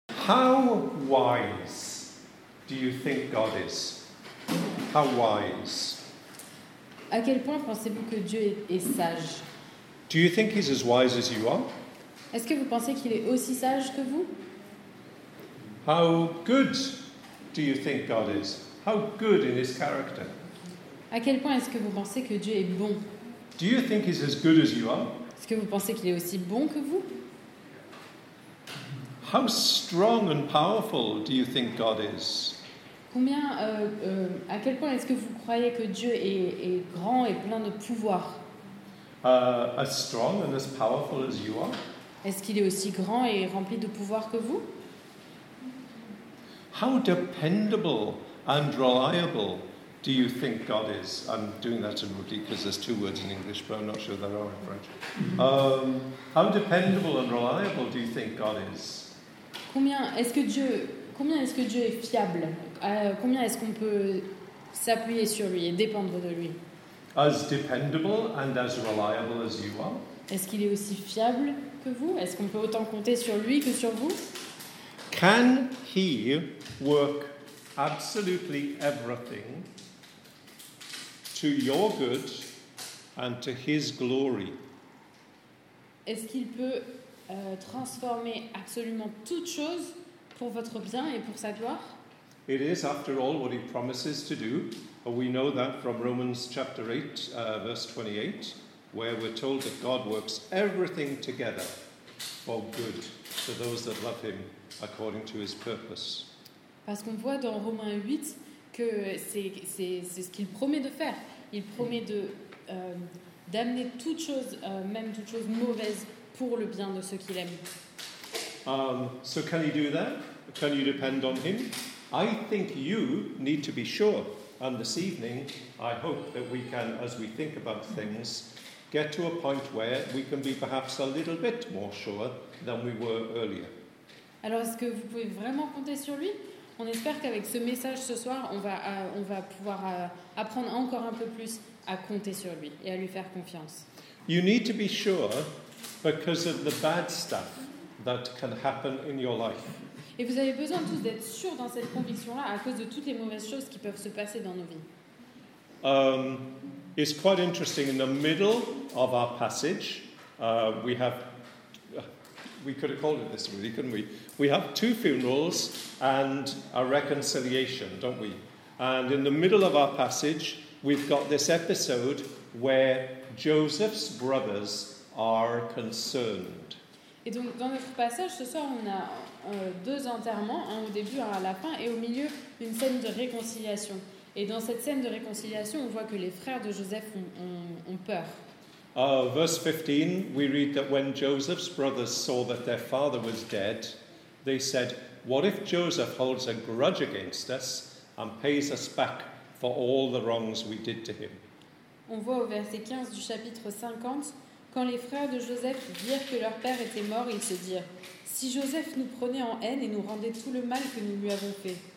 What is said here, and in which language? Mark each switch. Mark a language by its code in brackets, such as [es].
[en] How wise do you think God is? How wise? [fr] À quel point pensez-vous que Dieu est sage? [en] Do you think he's as wise as you are? [fr] Est-ce que vous pensez qu'il est aussi sage que vous? [en] How good do you think God is? How good in his character? [fr] À quel point est-ce que vous pensez que Dieu est bon? [en] Do you think he's as good as you are? [fr] Est-ce que vous pensez qu'il est aussi bon que vous? [en] How strong and powerful do you think God is? [fr] Combien, à quel point est-ce que vous croyez que Dieu est grand et plein de pouvoir? [en] As strong and as powerful as you are? [fr] Est-ce qu'il est aussi grand et rempli de pouvoir que vous? [en] How dependable and reliable do you think God is? I'm doing that in Rudi because there's two words in English, but I'm not sure there are in French. How dependable and reliable do you think God is? [fr] Combien est-ce que Dieu est fiable? Combien est-ce qu'on peut s'appuyer sur lui et dépendre de lui? [en] As dependable and as reliable as you are? [fr] Est-ce qu'il est aussi fiable que vous? Est-ce qu'on peut autant compter sur lui que sur vous? [en] Can he work absolutely everything to your good and to his glory? [fr] Est-ce qu'il peut transformer absolument toute chose pour votre bien et pour sa gloire? [en] It is, after all, what he promises to do. We know that from Romans chapter 8, verse 28, where we're told that God works everything together for good to those that love him according to his purpose. [fr] Parce qu'on voit dans Romains 8 que c'est ce qu'il promet de faire. Il promet d'amener toute chose, même toute chose mauvaise, pour le bien de ceux qu'il aime. [en] So can you do that? Can you depend on him? I think you need to be sure. And this evening, I hope that we can, as we think about things, get to a point where we can be perhaps a little bit more sure than we were earlier. [fr] Alors, est-ce que vous pouvez vraiment compter sur lui? On espère qu'avec ce message ce soir, on va pouvoir apprendre encore un peu plus à compter sur lui et à lui faire confiance. [en] You need to be sure because of the bad stuff that can happen in your life. [fr] Et vous avez besoin tous d'être sûrs dans cette conviction-là à cause de toutes les mauvaises choses qui peuvent se passer dans nos vies. [en] It's quite interesting. In the middle of our passage, we have, we could have called it this really, couldn't we? We have two funerals and a reconciliation, don't we? And in the middle of our passage, we've got this episode where Joseph's brothers are concerned. [fr] Et donc, dans notre passage ce soir, on a deux enterrements, un au début, un à la fin, et au milieu, une scène de réconciliation. Et dans cette scène de réconciliation, on voit que les frères de Joseph ont peur. [en] Verse 15, we read that when Joseph's brothers saw that their father was dead, they said, what if Joseph holds a grudge against us and pays us back for all the wrongs we did to him? [fr] On voit au verset 15 du chapitre 50, quand les frères de Joseph virent que leur père était mort, ils se dirent, si Joseph nous prenait en haine et nous rendait tout le mal que nous lui avons fait.